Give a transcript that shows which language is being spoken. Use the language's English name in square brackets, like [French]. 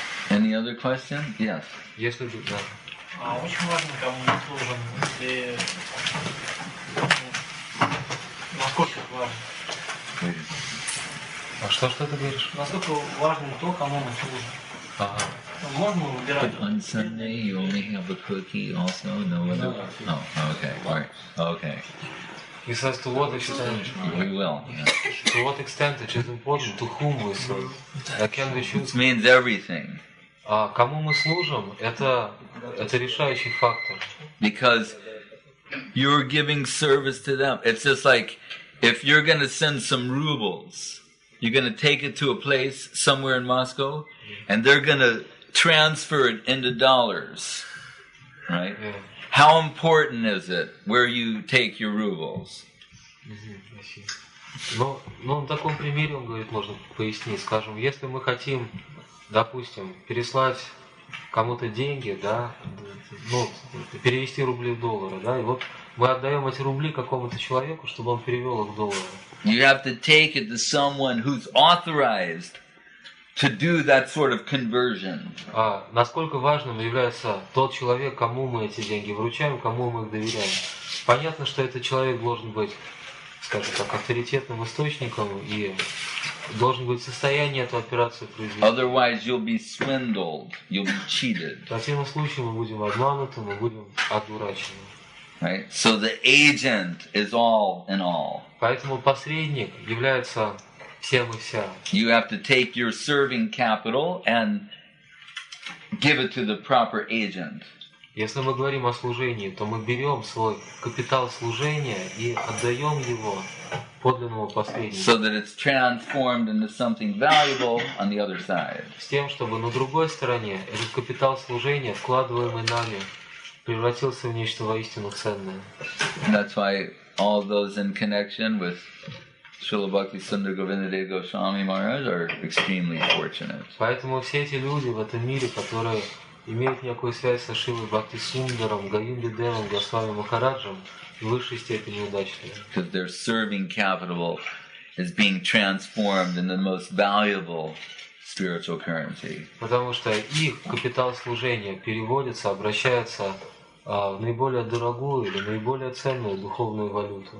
[English] Any other question? Yes. Yes, we do. [Russian] А очень важно, кому мы служим, если... Насколько важно? А что ты говоришь? Насколько важно то, кому мы служим. Ага. Можно выбирать? [English] But on Sunday you only have a cookie also, no one else? No. Oh, okay. All right. Okay. He says, to what extent? We will. Yeah. To what extent it is important to whom we serve? Can we choose? It means everything. [Russian] Кому мы служим, это решающий фактор. [English] Because you're giving service to them. It's just like, if you're going to send some rubles, you're going to take it to a place somewhere in Moscow, and they're going to transfer it into dollars, right? Yeah. How important is it where you take your rubles? [Russian] Ну, на таком примере, он говорит, можно пояснить, скажем, если мы хотим... Допустим, переслать кому-то деньги, да, ну, перевести рубли в доллары, да, и вот мы отдаем эти рубли какому-то человеку, чтобы он перевел их в доллары. [English] You have to take it to someone who's authorized to do that sort of conversion. [Russian] А насколько важным является тот человек, кому мы эти деньги вручаем, кому мы их доверяем? Понятно, что этот человек должен быть скажем так, авторитетным источником и должен быть в состоянии эту операцию произвести. [English] Otherwise you'll be swindled, you'll be cheated. [Russian] В противном случае мы будем обмануты, мы будем одурачены. [English] Right? So the agent is all in all. [Russian] Поэтому посредник является всем и вся. [English] You have to take your serving capital and give it to the proper agent. [Russian] Если мы говорим о служении, то мы берем свой капитал служения и отдаем его подлинному посреднику. [English] So that it's transformed into something valuable on the other side. [Russian] С тем, чтобы на другой стороне этот капитал служения, вкладываемый нами, превратился в нечто воистину ценное. [English] That's why all those in connection with Srila Bhakti Sundara Govindadeva Goswami Maharaj are extremely fortunate. [Russian] Поэтому все эти люди в этом мире, которые имеют некую связь со Шилой Бхакти Сундаром, Гаинди Девом, Госвами Махараджем, в высшей степени удачливы. [English] Because their serving capital is being transformed into the most valuable spiritual currency. [Russian] Потому что их капитал служения переводится, обращается в наиболее дорогую или наиболее ценную духовную валюту.